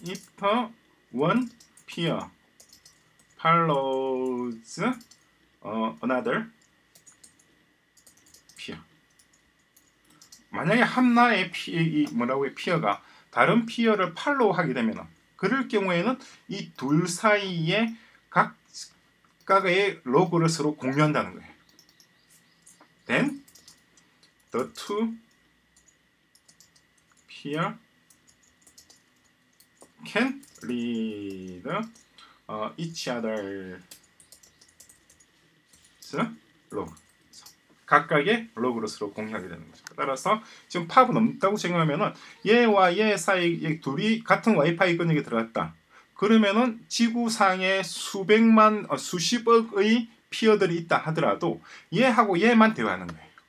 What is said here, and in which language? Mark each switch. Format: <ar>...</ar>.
<en>if one peer follows another peer.</en> <ko>만약에 한나의 피, 뭐라고 해, 피어가 다른 피어를 팔로우하게 되면 그럴 경우에는 이 둘 사이에 각각의 로그를 서로 공유한다는 거예요.</ko> <en>Then the two peer can read each other's log.</en> <ko>각각의 로그로 서로 공유하게 되는 거죠. 따라서 지금 팝은 없다고 생각하면은 얘와 얘 사이 둘이 같은 와이파이 근육에 들어갔다. 그러면은 지구상에 수백만 수십억의 피어들이 있다 하더라도 얘하고 얘만 대화하는 거예요.</ko>